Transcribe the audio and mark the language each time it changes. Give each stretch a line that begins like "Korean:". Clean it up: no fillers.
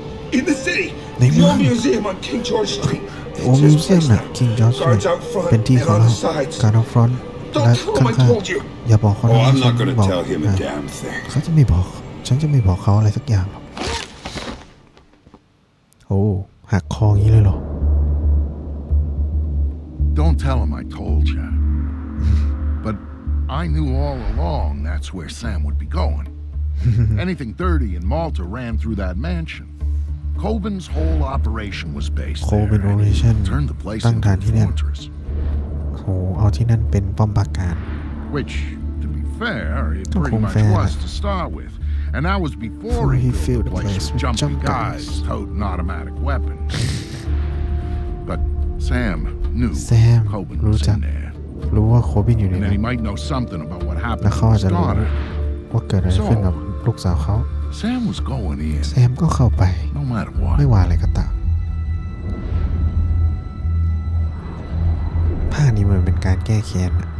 English: The old museum on King George Street. The old museum on King George Street. Guards out front and on the sides. Guard out front. Don't tell him I told you.
Thai: อย่าบอกเขานะ
English: I'm not going to tell him a damn thing.
Thai: เขาจะไม่บอกฉันจะไม่บอกเขาอะไรสักอย่างโอ้หักคออย่างนี้เลยเหรอ
English: Don't tell him I told you. But I knew all along that's where Sam would be going. Anything dirty in Malta ran through that mansion. Corbin's whole operation was based there. Corbin operation turned the place into a fortress.
Thai: เอาที่นั่นเป็นป้อมปราการ
English: Which, to be fair, it pretty much was to start with. And that was before he filled the place with jumpy guys toting automatic weapons. But Sam knew Corbin was in there.
Thai: รู้ว่า Corbin อยู่ในนั้น
English: And he might know something about what happened to his daughter.
Thai: ว่าเกิดอะไรขึ้นกับลูกสาวเขา
English: Sam was going in.
Thai: Sam ก็เข้าไป
English: No matter what.
Thai: ไม่ว่าอะไรก็ตามภาคนี้เหมือนเป็นการแก้แค้น